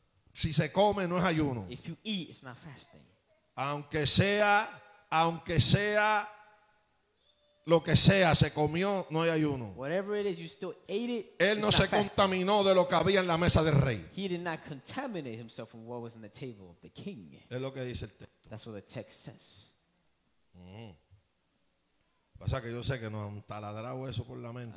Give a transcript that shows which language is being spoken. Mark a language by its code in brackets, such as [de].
[es] Si se come no es ayuno. [en] If you eat, it's not fasting. [es] Aunque sea lo que sea, se comió, no hay ayuno. [en] Whatever it is, you still ate it. [es] Él no se contaminó de lo que había en la mesa del rey. [en] He did not contaminate himself from what was in the table of the king. [es] Es lo que dice el texto. [en] That's what the text says. [es] Pasa que yo sé que nos han taladrado eso por la mente.